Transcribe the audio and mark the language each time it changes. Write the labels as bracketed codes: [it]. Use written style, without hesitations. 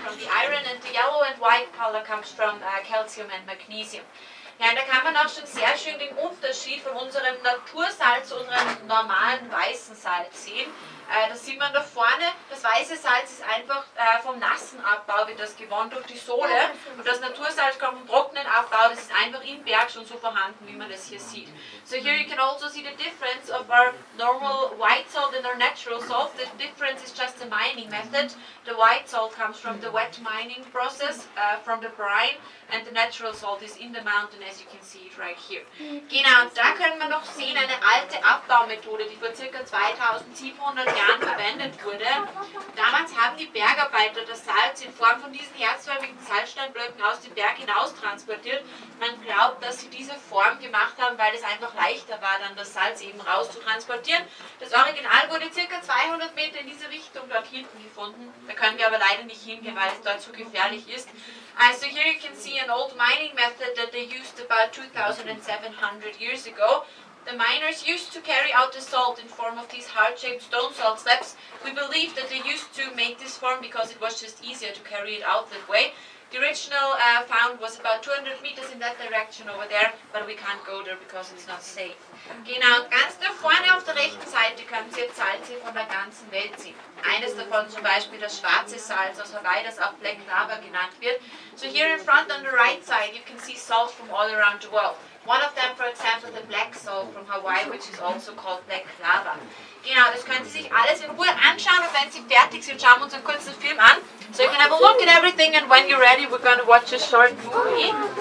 [en] Iron and the yellow and white color comes from calcium and magnesium. [de] Ja, da kann man auch schon sehr schön den Unterschied von unserem Natursalz zu unserem normalen weißen Salz sehen. Das sieht man da vorne. Das weiße Salz ist einfach vom nassen Abbau wird das gewonnen durch die Sohle. Und das Natursalz kommt vom trockenen Abbau. Das ist einfach im Berg schon so vorhanden, wie man das hier sieht. [en] So here you can also see the difference of our normal white salt and our natural salt. The difference is just the mining method. The white salt comes from the wet mining process, from the brine. And the natural salt is in the mountain, as you can see it right here. [de] Genau, und da können wir noch sehen, eine alte Abbaumethode, die vor ca. 2700 Jahren verwendet wurde. Damals haben die Bergarbeiter das Salz in Form von diesen herzförmigen Salzsteinblöcken aus dem Berg hinaus transportiert. Man glaubt, dass sie diese Form gemacht haben, weil es einfach leichter war, dann das Salz eben raus zu transportieren. Das Original wurde ca. 200 Meter in diese Richtung dort hinten gefunden. Da können wir aber leider nicht hingehen, weil es dort zu gefährlich ist. [en] Also here you can see an old mining method that they used about 2700 years ago. The miners used to carry out the salt in form of these heart-shaped stone salt slabs. We believe that they used to make this form because it was just easier to carry it out that way. The original found was about 200 meters in that direction over there, but we can't go there because it's not safe. [de] Genau, ganz da vorne auf der rechten Seite können Sie jetzt Salze von der ganzen Welt sehen. Eines davon zum Beispiel das schwarze Salz aus Hawaii, das auch Black Lava genannt wird. [en] So here in front on the right side you can see salt from all around the world. One of them, for example, the black salt from Hawaii, which is also called black lava. [de] Genau, das können Sie sich alles in Ruhe anschauen und wenn Sie fertig sind, schauen wir uns einen kurzen Film an. [en] So you can have a look at everything and when you're ready, we're gonna watch a short movie.